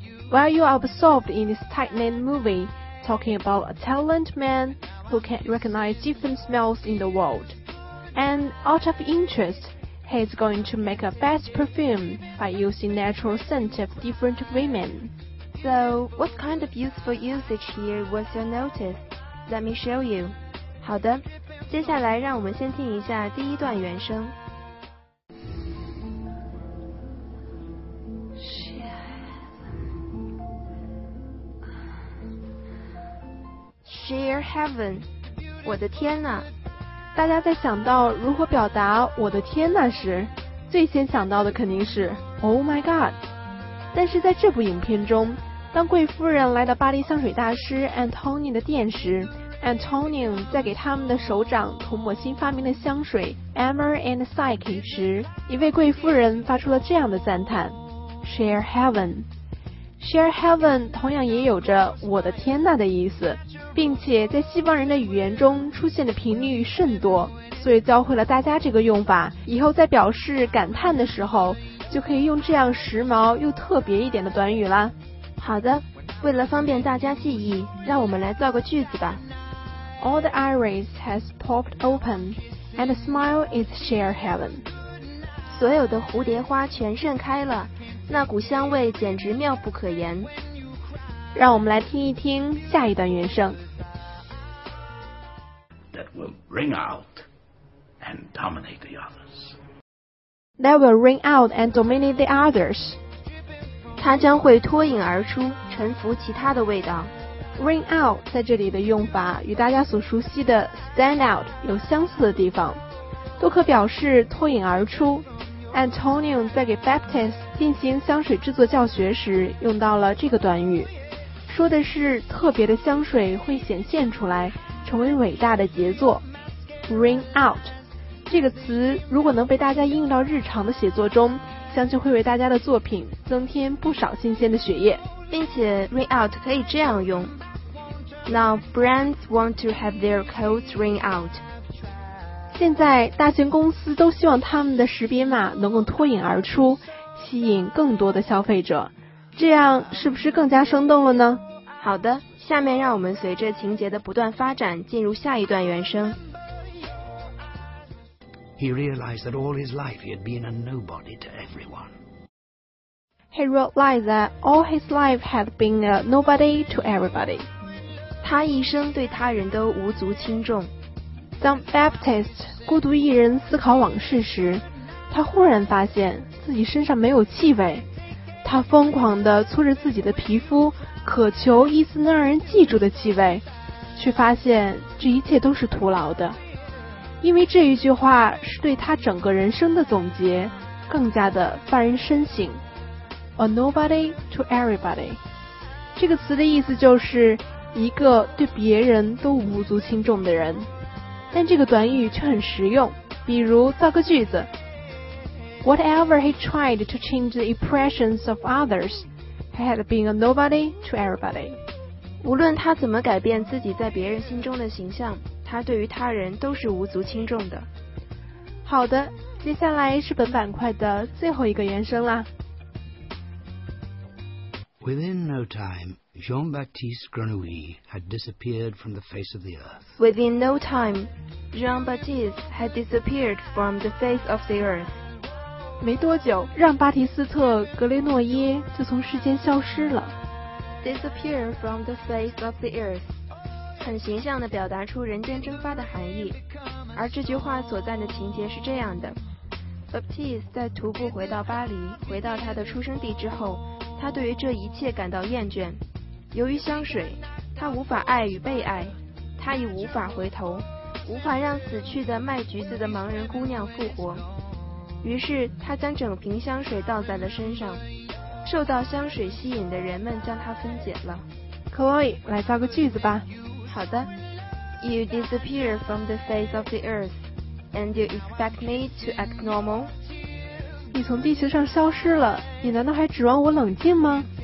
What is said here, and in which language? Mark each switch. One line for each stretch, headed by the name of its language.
English: While you are absorbed in this tight-knit movie, talking about a talented man who can recognize different smells in the world. And out of interest, he is going to make a best perfume by using natural scent of different women. So, what kind of useful usage here was your notice? Let me show you.
Chinese: 好的，接下来让我们先听一下第一段原声。
English: Sheer heaven,
Chinese: 我的天哪！大家在想到如何表达我的天哪时，最先想到的肯定是 Oh my God。但是在这部影片中，当贵夫人来到巴黎香水大师 Antonio 的店时 ，Antonio 在给他们的首长涂抹新发明的香水 Amour and Psyche 时，一位贵夫人发出了这样的赞叹 ：Sheer heaven。 Sheer heaven 同样也有着我的天哪的意思，并且在西方人的语言中出现的频率甚多，所以教会了大家这个用法，以后在表示感叹的时候就可以用这样时髦又特别一点的短语啦。好的，为了方便大家记忆，让我们来造个句子吧。
English: All the iris has popped open and a smile is sheer heaven。
Chinese: 所有的蝴蝶花全盛开了，那股香味简直妙不可言。让我们来听一听下一段原声。
English: That will ring out and dominate the others. That will ring out and dominate the others.
Chinese: 它将会脱颖而出，臣服其他的味道。 Ring out 在这里的用法与大家所熟悉的 stand out 有相似的地方，都可表示脱颖而出。 Antonio 在给 Baptist 进行香水制作教学时用到了这个短语，说的是特别的香水会显现出来，成为伟大的杰作。 Ring out 这个词如果能被大家应用到日常的写作中，相信会为大家的作品增添不少新鲜的血液。并且 ring out 可以这样用，
English: Now brands want to have their codes ring out。
Chinese: 现在大型公司都希望他们的识别码能够脱颖而出，吸引更多的消费者，这样是不是更加生动了呢？好的，下面让我们随着情节的不断发展进入下一段原声。
English: He realized that all his life he had been a nobody to everyone. He realized that all his life had been a nobody to everybody.
Chinese: 他一生对他人都无足轻重。当 Baptist 孤独一人思考往事时，他忽然发现自己身上没有气味，他疯狂地搓着自己的皮肤，渴求一丝能让人记住的气味，却发现这一切都是徒劳的。因为这一句话是对他整个人生的总结，更加的发人深省。
English: A nobody to everybody，
Chinese: 这个词的意思就是一个对别人都无足轻重的人，但这个短语却很实用。比如造个句子，
English: Whatever he tried to change the impressions of others, he had been a nobody to everybody.
Chinese: 无论他怎么改变自己在别人心中的形象，他对于他人都是无足轻重的。好的，接下来是本板块的最后一个原声啦。
English: Within no time, Jean-Baptiste Grenouille had disappeared from the face of the earth. Within no time, Jean-Baptiste had disappeared from the face of the earth.
Chinese: 没多久，让巴蒂斯特·格雷诺耶就从世间消失了。
English: Disappear from the face of the earth，
Chinese: 很形象地表达出人间蒸发的含义。而这句话所在的情节是这样的 ：Baptiste 在徒步回到巴黎，回到他的出生地之后，他对于这一切感到厌倦。由于香水，他无法爱与被爱，他已无法回头，无法让死去的卖橘子的盲人姑娘复活。于是他将整瓶香水倒在了身上，受到香水吸引的人们将它分解了。 Chloe， 来造个句子吧。好的。
English: You disappear from the face of the earth and you expect me to act normal。
Chinese: 你从地球上消失了，你难道还指望我冷静吗？